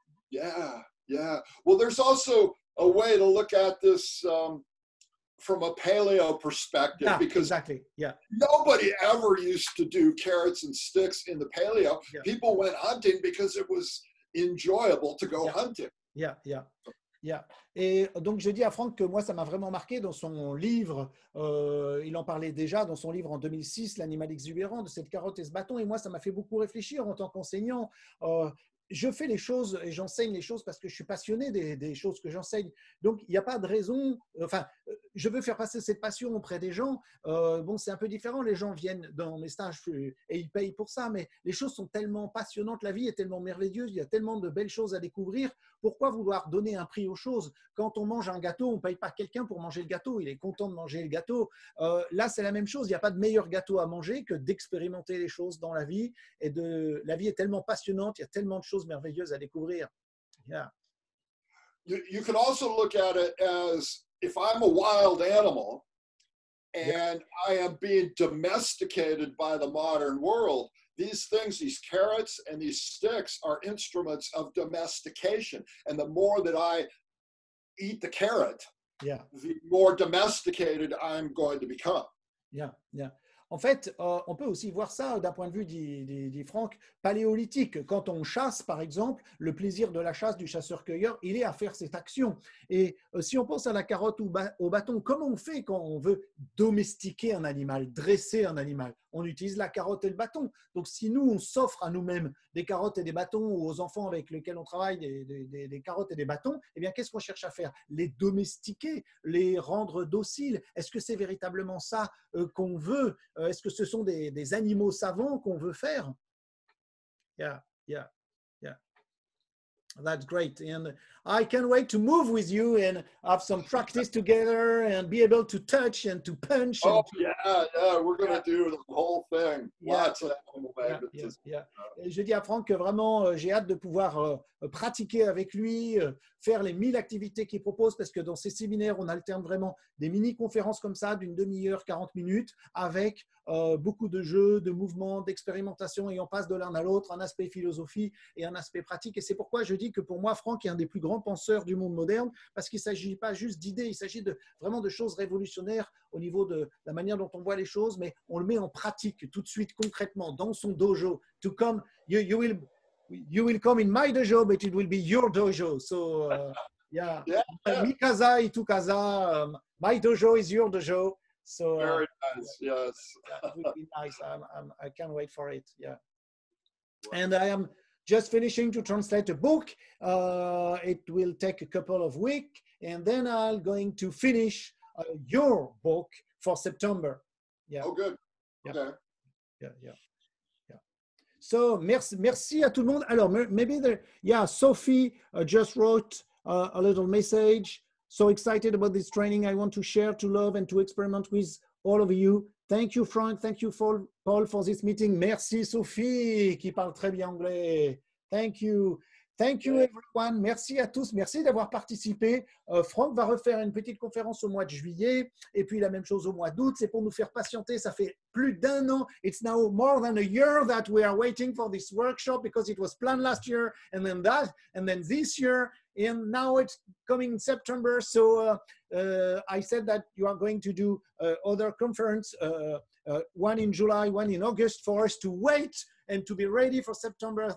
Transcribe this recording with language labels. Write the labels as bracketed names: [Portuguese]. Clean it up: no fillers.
[English] Yeah. Well, there's also a way to look at this from a paleo perspective. Yeah, because exactly, yeah. Nobody ever used to do carrots and sticks in the paleo. Yeah. People went hunting because it was enjoyable to go hunting. Yeah. Yeah. [French] Et donc, je dis à Franck que moi, ça m'a vraiment marqué dans son livre. Il en parlait déjà dans son livre en 2006, L'animal exubérant, de cette carotte et ce bâton. Et moi, ça m'a fait beaucoup réfléchir en tant qu'enseignant. Je fais les choses et j'enseigne les choses parce que je suis passionné des choses que j'enseigne. Donc, il n'y a pas de raison. Enfin, je veux faire passer cette passion auprès des gens. Bon, c'est un peu différent. Les gens viennent dans mes stages et ils payent pour ça. Mais les choses sont tellement passionnantes. La vie est tellement merveilleuse. Il y a tellement de belles choses à découvrir. Pourquoi vouloir donner un prix aux choses? Quand on mange un gâteau, on ne paye pas quelqu'un pour manger le gâteau. Il est content de manger le gâteau. Là, c'est la même chose. Il n'y a pas de meilleur gâteau à manger que d'expérimenter les choses dans la vie. Et la vie est tellement passionnante. Il y a tellement de choses merveilleuses à découvrir. [English] Yeah. You can also look at it as, if I'm a wild animal And I am being domesticated by the modern world. These things, these carrots and these sticks, are instruments of domestication. And the more that I eat the carrot, yeah, the more domesticated I'm going to become. Yeah, yeah. [French] En fait, on peut aussi voir ça d'un point de vue dit Franck, paléolithique. Quand on chasse, par exemple, le plaisir de la chasse du chasseur-cueilleur, il est à faire cette action. Et si on pense à la carotte ou au bâton, comment on fait quand on veut domestiquer un animal, dresser un animal? On utilise la carotte et le bâton. Donc, si nous, on s'offre à nous-mêmes des carottes et des bâtons ou aux enfants avec lesquels on travaille des carottes et des bâtons, eh bien, qu'est-ce qu'on cherche à faire? Les domestiquer, les rendre dociles. Est-ce que c'est véritablement ça qu'on veut? Est-ce que ce sont des animaux savants qu'on veut faire? [English] Yeah, yeah, yeah. That's great. And I can't wait to move with you and have some practice together and be able to touch and to punch. Oh, and to... We're going to do the whole thing. Lots of animal [French] Et je dis à Franck que vraiment, j'ai hâte de pouvoir pratiquer avec lui, faire les 1000 activités qu'il propose, parce que dans ces séminaires, on alterne vraiment des mini-conférences comme ça, d'une demi-heure, 40 minutes, avec beaucoup de jeux, de mouvements, d'expérimentations, et on passe de l'un à l'autre, un aspect philosophie et un aspect pratique. Et c'est pourquoi je dis que pour moi, Franck est un des plus grands penseurs du monde moderne, parce qu'il ne s'agit pas juste d'idées, il s'agit vraiment de choses révolutionnaires au niveau de la manière dont on voit les choses, mais on le met en pratique tout de suite, concrètement, dans son dojo. [English] To come, you will come in my dojo, but it will be your dojo. So, Mikasa et Tukasa, my dojo is your dojo. So, very nice, yes. That would be nice. I can't wait for it. Yeah. Wow. And I am just finishing to translate a book. It will take a couple of weeks, and then I'm going to finish your book for September. Yeah. Oh, good. Yeah. Okay. Yeah. Yeah. So, [French] merci à tout le monde. Alors, [English] maybe Sophie just wrote a little message. So excited about this training. I want to share, to love, and to experiment with all of you. Thank you, Frank. Thank you, Paul, for this meeting. [French] Merci, Sophie, qui parle très bien anglais. [English] Thank you. Thank you, everyone. [French] Merci à tous. Merci d'avoir participé. Franck va refaire une petite conférence au mois de juillet. Et puis, la même chose au mois d'août. C'est pour nous faire patienter. Ça fait plus d'un an. [English] It's now more than a year that we are waiting for this workshop because it was planned last year and then that and then this year. And now it's coming September. So I said that you are going to do other conference, one in July, one in August, for us to wait and to be ready for September.